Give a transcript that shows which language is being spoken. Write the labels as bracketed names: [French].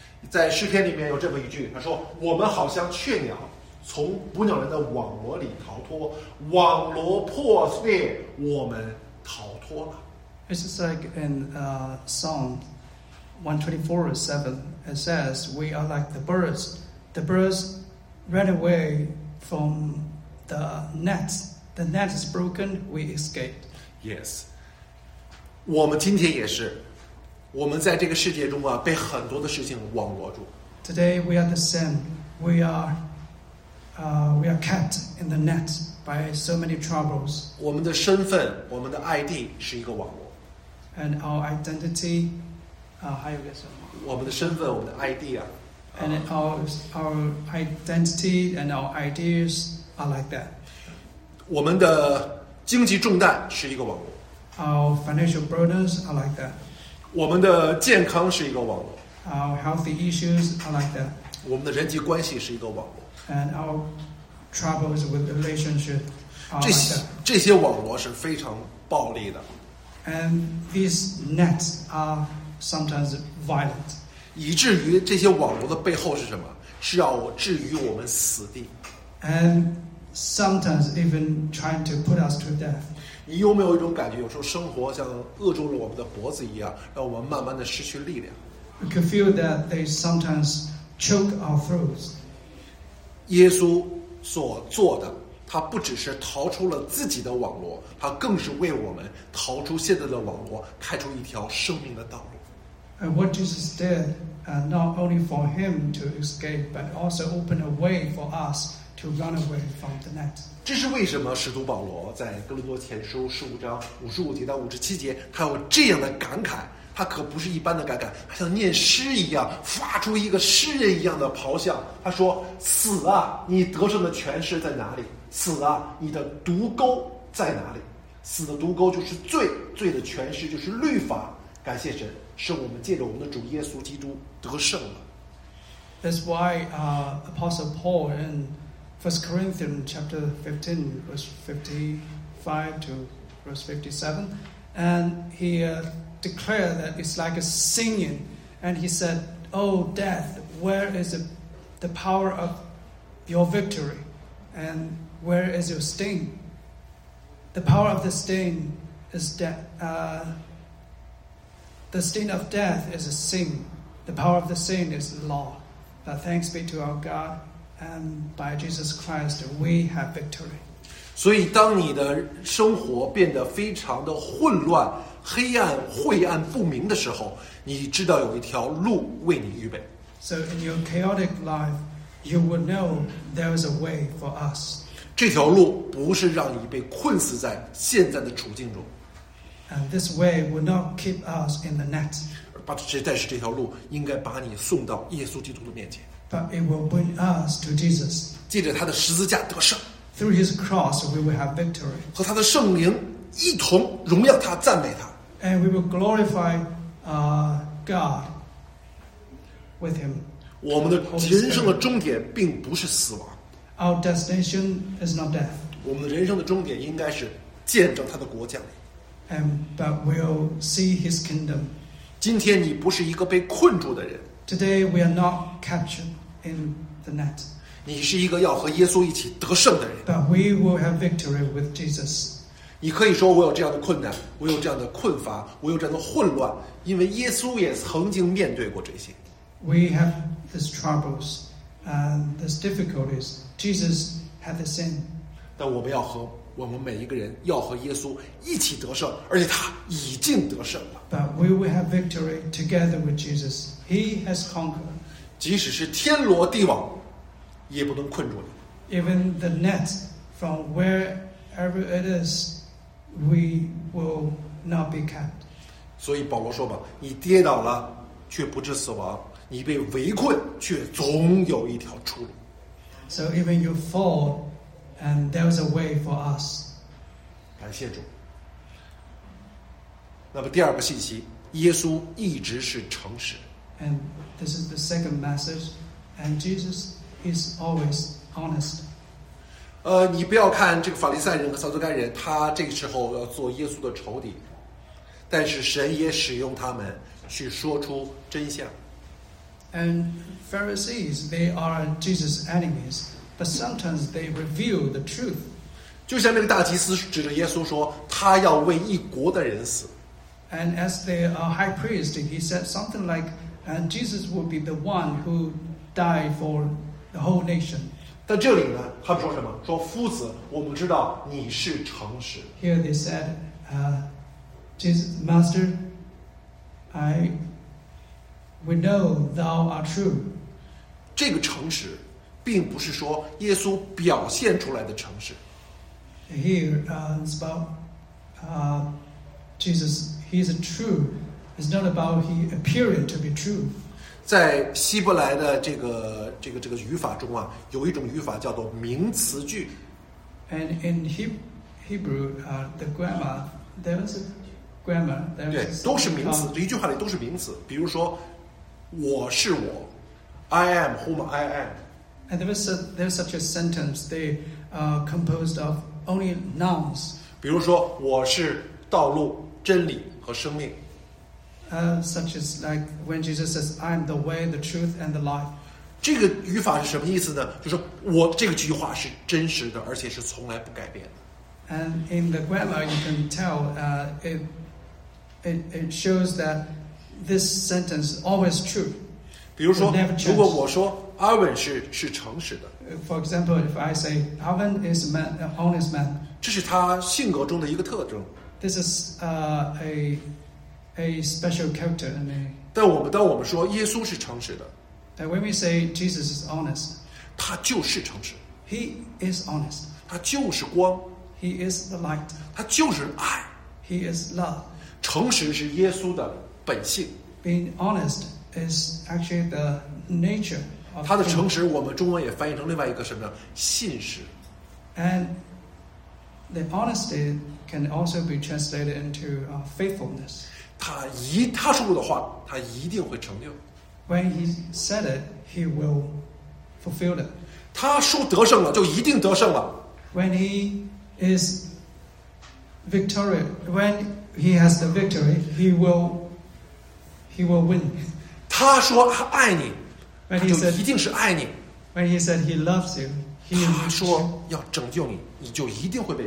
[Chinese] 在诗篇里面有这么一句，他说：“我们好像雀鸟，从捕鸟人的网罗里逃脱，网罗破碎，我们逃脱了。” [English] It's just like in Psalm 124:7, it says, "We are like the birds ran away from the net." The net is broken, we escaped. Yes. [Chinese] 我们今天也是，我们在这个世界中啊，被很多的事情网罗住。 [English] Today we are the same. We are kept in the net by so many troubles. [Chinese] 我们的身份，我们的 ID 是一个网罗。 [English] And our identity, [Chinese] 还有个什么？我们的身份，我们的 ID 啊。 [English] And our identity and our ideas are like that. [Chinese] 我们的经济重担是一个网络。 [English] Our financial burdens are like that. [Chinese] 我们的健康是一个网络。 [English] Our healthy issues are like that. [Chinese] 我们的人际关系是一个网络。 [English] And our troubles with relationship are like that. [Chinese] 这些网络是非常暴力的。 [English] And these nets are sometimes violent. [Chinese] 以至于这些网络的背后是什么？是要置于我们死地。 [English] And sometimes even trying to put us to death. [Chinese] 你有没有一种感觉，有时候生活像扼住了我们的脖子一样，让我们慢慢的失去力量？ [English] We can feel that they sometimes choke our throats. [Chinese] 耶稣所做的，他不只是逃出了自己的网络，他更是为我们逃出现在的网络，开出一条生命的道路。 [English] And what Jesus did, not only for him to escape, but also open a way for us. To run away from the net. [Chinese] 这是为什么使徒保罗在哥林多前书15:55-57他有这样的感慨，他可不是一般的感慨，他像念诗一样发出一个诗人一样的咆哮，他说死啊，你得胜的权势在哪里？死啊，你的毒钩在哪里？死的毒钩就是罪，罪的权势就是律法。感谢神，是我们借着我们的主耶稣基督得胜了。 [English] That's why Apostle Paul andFirst Corinthians chapter 15, verse 55 to verse 57, and he declared that it's like a singing, and he said, "Oh death, where is the power of your victory, and where is your sting? The power of the sting is the sting of death is a sing. The power of the sing is law. But thanks be to our God." And by Jesus Christ, we have victory. [Chinese] 所以当你的生活变得非常的混乱、黑暗、晦暗不明的时候，你知道有一条路为你预备。 [English] So in your chaotic life, you will know there is a way for us. [Chinese] 这条路不是让你被困死在现在的处境中。 [English] And this way will not keep us in the net. [Chinese] 但是这条路应该把你送到耶稣基督的面前。 [English] But it will bring us to Jesus. [Chinese] 借着他的十字架得胜。 [English] Through His cross, we will have victory. [Chinese] 和他的圣灵一同荣耀他，赞美他。 [English] And we will glorify, God with Him. [Chinese] 我们的人生的终点并不是死亡。 [English] Our destination is not death. [Chinese] 我们人生的终点应该是见证他的国降临。 [English] And but we'll see His kingdom. [Chinese] 今天你不是一个被困住的人。 [English] Today we are not captured in the net. [Chinese] 你是一个要和耶稣一起得胜的人。 [English] But we will have victory with Jesus. [Chinese] 你可以说我有这样的困难，我有这样的困乏，我有这样的混乱，因为耶稣也曾经面对过这些。 [English] We have these troubles and these difficulties. Jesus had the same. [Chinese] 但我们要和我们每一个人要和耶稣一起得胜，而且他已经得胜了。 [English] But we will have victory together with Jesus. He has conquered. [Chinese] 即使是天罗地网，也不能困住你。 [English] Even the net from wherever it is, we will not be kept. [Chinese] 所以保罗说吧，你跌倒了却不致死亡，你被围困却总有一条出路。 [English] So even you fall. And there was a way for us. [Chinese] 感谢主。那么第二个信息，耶稣一直是诚实。 [English] And this is the second message, and Jesus is always honest. [Chinese] 你不要看这个法利赛人和撒都该人，他这个时候要做耶稣的仇敌，但是神也使用他们去说出真相。 [English] And Pharisees, they are Jesus' enemies. But sometimes they reveal the truth. [Chinese] 就像那个大祭司指着耶稣说，他要为一国的人死。 [English] And as the high priest, he said something like, "And Jesus will be the one who died for the whole nation." [Chinese] 但这里呢，他们说什么？说夫子，我们知道你是诚实。 [English] Here they said, "Jesus, Master, we know thou art true." [Chinese] 这个诚实。并不是说耶稣表现出来的诚实。 [English] Here, it's about Jesus. He is true. It's not about he appearing to be true. [Chinese] 在希伯来的这个语法中啊，有一种语法叫做名词句。 And in Hebrew, the grammar, there is a grammar. 对，都是名词，一句话里都是名词。比如说，我是我 ， [English] I am whom I am。 And there's such a sentence they are composed of only nouns. [Chinese] 比如说，我是道路、真理和生命。 [English] Such as like when Jesus says, "I am the way, the truth, and the life." [Chinese] 这个语法是什么意思呢？就是我这个句话是真实的，而且是从来不改变的。 [English] And in the grammar, you can tell it shows that this sentence is always true. [Chinese] 比如说，如果我说。阿文是诚实的。 [English] For example, if I say, Alvin is an honest man. [Chinese] 这是他性格中的一个特征。 [English] This is a special character in me. [Chinese] 但我们说耶稣是诚实的。 [English] And when we say Jesus is honest. [Chinese] 他就是诚实。 [English] He is honest. [Chinese] 他就是光。 [English] He is the light. [Chinese] 他就是爱。 [English] He is love. [Chinese] 诚实是耶稣的本性。 [English] Being honest is actually the nature. [Chinese] 他的诚实我们中文也翻译成另外一个什么呢？信实。 [English] And the honesty can also be translated into faithfulness. [Chinese] 他说过的话他一定会成就。 [English] When he said it, he will fulfill it. [Chinese] 他说得胜了就一定得胜了。 [English] When he is victorious, when he has the victory, he will win. [Chinese] 他说他爱你 [English] When he said, [Chinese] 他就一定是爱你。 [English] When he said he loves you, he [Chinese] 他说要拯救你，你就一定会被。